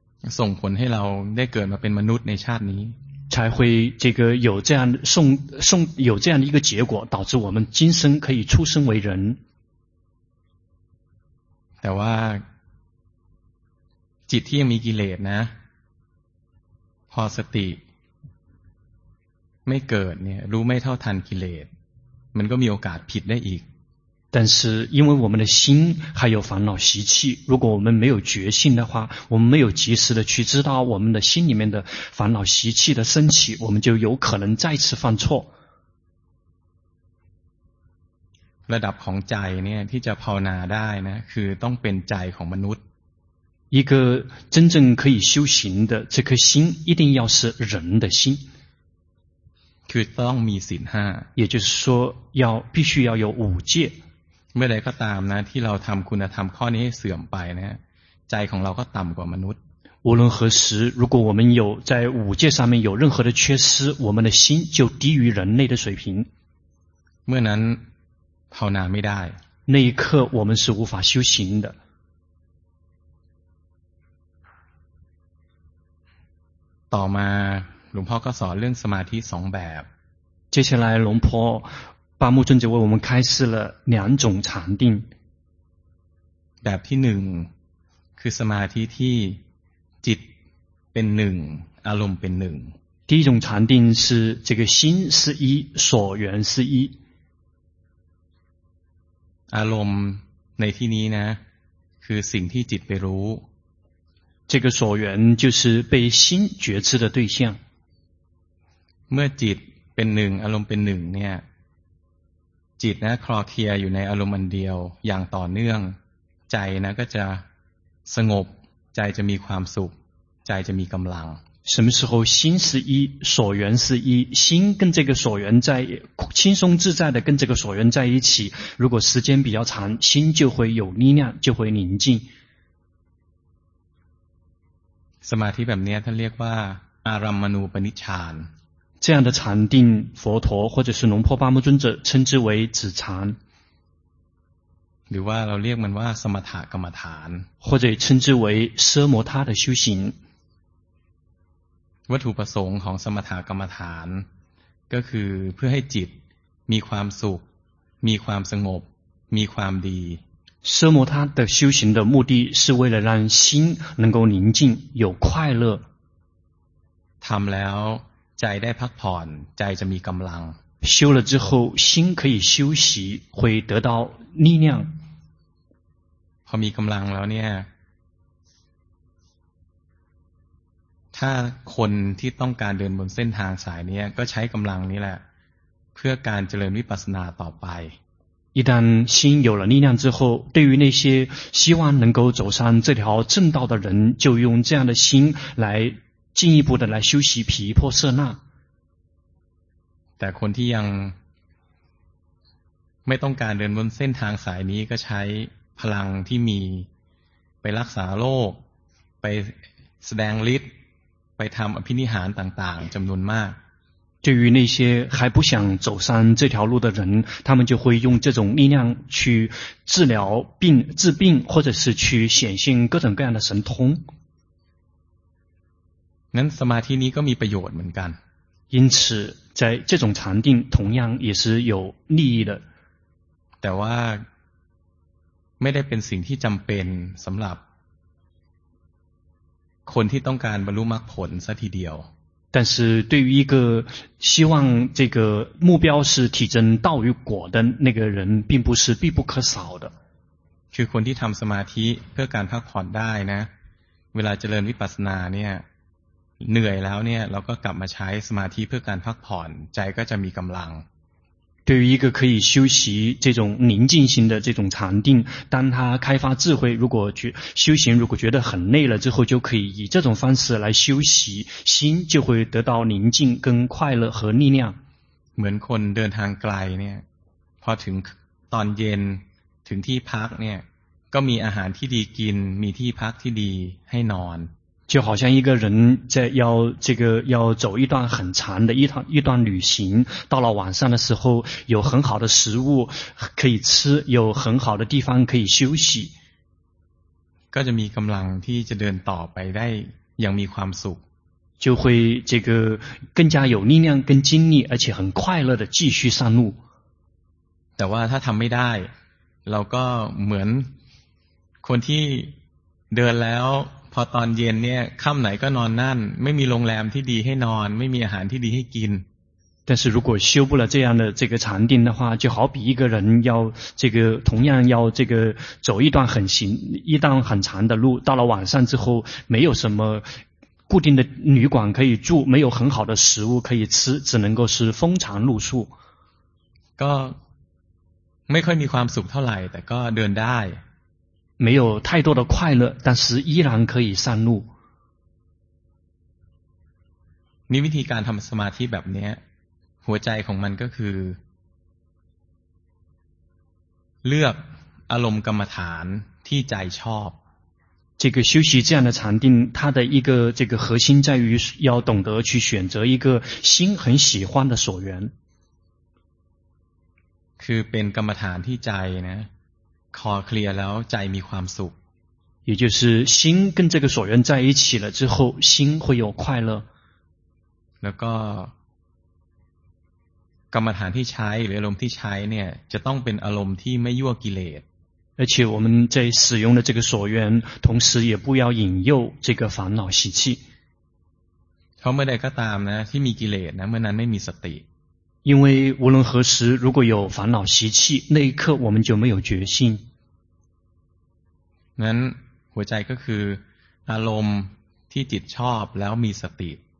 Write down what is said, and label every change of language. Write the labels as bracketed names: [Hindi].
[Thai] 送ผลให้เราได้เกิดมาเป็นมนุษย์ในชาตินี้ [Chinese] 才会这个有这样送送有这样的一个结果导致我们今生可以出生为人 [Thai] แต่ว่าจิตที่ยังมีกิเลสนะพอสติไม่เกิดเนี่ยรู้ไม่เท่าทันกิเลสมันก็มีโอกาสผิดได้อีก [Chinese] 但是因为我们的心还有烦恼习气，如果我们没有觉性的话，我们没有及时的去知道我们的心里面的烦恼习气的升起，我们就有可能再次犯错。 [Thai] ระดับของใจเนี่ยที่จะภาวนาได้นะคือต้องเป็นใจของมนุษย์。 [Chinese] 一个真正可以修行的这颗心，一定要是人的心。 [Thai] คือต้องมีศีลห้า。 [Chinese] 也就是说要必须要有五戒。 [Thai] เมื่อใดก็ตามนะที่เราทำคุณธรรมข้อนี้ให้เสื่อมไปนะใจของเราก็ต่ำกว่ามนุษย์ [Chinese] 无论何时如果我们有在五戒上面有任何的缺失我们的心就低于人类的水平 [Thai] เมื่อนั้นภาวนาไม่ได้ [Chinese] 那一刻我们是无法修行的 [Thai] ต่อมาหลวงพ่อก็สอนเรื่องสมาธิสองแบบ [Chinese] 接下来 [Thai] หลวงพ่อปามุจุนจะว่าเราได้เริ่มต้นสองจังหวะ แบบที่หนึ่งคือสมาธิที่จิตเป็นหนึ่งอารมณ์เป็นหนึ่ง [Chinese] 第一种禅定是这个心是一所缘是一 [Thai] อารมณ์ในที่นี้นะคือสิ่งที่จิตไปรู้ [Chinese] 这个所缘就是被心觉知的对象 [Thai] เมื่อจิตเป็นหนึ่งอารมณ์เป็นหนึ่งเนี่ยจิตนะคลอเคลียอยู่ในอารมณ์อันเดียวอย่างต่อเนื่องใจนะก็จะสงบใจจะมีความสุขใจจะมีกำลัง [Chinese] 什么时候心是一所缘是一心跟这个所缘在轻松自在的跟这个所缘在一起如果时间比较长心就会有力量就会宁静 [Thai] สมาธิแบบนี้ท่านเรียกว่าอารัมมณูปนิชฌาน [Chinese] 这样的禅定佛陀或者是龙婆巴木尊者称之为止禅 [Thai] หรือว่าเราเรียกมันว่าสมถกรรมฐาน [Chinese] 或者称之为奢摩他的修行 [Thai] วัตถุประสงค์ของสมถกรรมฐานก็คือเพื่อให้จิตมีความสุขมีความสงบมีความดี [Chinese] 奢摩他的修行的目的是为了让心能够宁静有快乐 [Thai] ทำแล้วใจได้พักผ่อนใจจะมีกำลัง [Chinese] 修了之后心可以休息会得到力量 [Thai] พอมีกำลังแล้วเนี่ยถ้าคนที่ต้องการเดินบนเส้นทางสายนี้ก็ใช้กำลังนี้แหละเพื่อการเจริญวิปัสสนาต่อไป [Chinese] 一旦心有了力量之后对于那些希望能够走上这条正道的人就用这样的心来进一步的来修习毗婆舍那 [Thai] แต่คนที่ยังไม่ต้องการเดินบนเส้นทางสายนี้ก็ใช้พลังที่มีไปรักษาโรคไปแสดงฤทธิ์ไปทำอภินิหารต่างๆจำนวนมาก [Chinese] 对于那些还不想走上这条路的人他们就会用这种力量去治疗病治病或者是去显现各种各样的神通 [Thai] นั้นสมาธินี้ก็มีประโยชน์เหมือนกัน [Chinese] 因此在这种禅定同样也是有利益的 [Thai] แต่ว่าไม่ได้เป็นสิ่งที่จำเป็นสำหรับคนที่ต้องการบรรลุมรรคผลซะทีเดียว [Chinese] 但是对于一个希望这个目标是体证道与果的那个人并不是必不可少的 [Thai] คือคนที่ทำสมาธิเพื่อการพักผ่อนได้นะเวลาเจริญวิปัสสนาเนี่ยเหนื่อยแล้วเนี่ยเราก็กลับมาใช้สมาธิเพื่อการพักผ่อนใจก็จะมีกำลัง [Chinese] 对于一个可以修习这种宁静心的这种禅定当他开发智慧如果修行如果觉得很累了之后就可以以这种方式来修习心就会得到宁静跟快乐和力量 [Thai] เหมือนคนเดินทางไกลเนี่ยพอถึงตอนเย็นถึงที่พักเนี่ยก็มีอาหารที่ดีกินมีที่พักที่ดีให้นอน [Chinese] 就好像一个人在要这个要走一段很长的一段旅行到了晚上的时候有很好的食物可以吃有很好的地方可以休息 [Thai] ก็จะมีกำลังที่จะเดินต่อไปได้ังมีความสุข [Chinese] 就会这个更加有力量跟精力而且很快乐的继续上路 [Thai] แต่ว่าถ้าทำไม่ได้เราก็เหมือนคนที่เดินแล้วพอตอนเย็นเนี่ยค่ำไหนก็นอนนั่นไม่มีโรงแรมที่ดีให้นอนไม่มีอาหารที่ดีให้กิน [Chinese] 但是如果修不了这样的这个禅定的话，就好比一个人要这个同样要这个走一段很行一段很长的路，到了晚上之后没有什么固定的旅馆可以住，没有很好的食物可以吃，只能够是风餐露宿。 [Thai] ก็ไม่ค่อยมีความสุขเท่าไหร่แต่ก็เดินได้ [Chinese] 没有太多的快乐，但是依然可以上路。 [Thai] มีวิธีการทำสมาธิแบบนี้หัวใจของมันก็คือเลือกอารมณ์กรรมฐานที่ใจชอบ [Chinese] 这个修习这样的禅定它的一个这个核心在于要懂得去选择一个心很喜欢的所缘 [Thai] คือเป็นกรรมฐานที่ใจนะคอเคลียร์แล้วใจมีความสุข [Chinese] 也就是心跟这个所缘在一起了之后心会有快乐 [Thai] แล้วก็กรรมฐานที่ใช้หรืออารมณ์ที่ใช้เนี่ยจะต้องเป็นอารมณ์ที่ไม่ยั่วกิเลส [Chinese] 而且我们在使用的这个所缘同时也不要引诱这个烦恼习气 [Thai] เพราะเมื่อใดก็ตามนะที่มีกิเลสนะเมื่อนั้นไม่มีสติ [Chinese] 因为无论何时如果有烦恼习气那一刻我们就没有决心 [Thai] นั้นหัวใจก็คืออารมณ์ที่จิตชอบแล้วมีสติ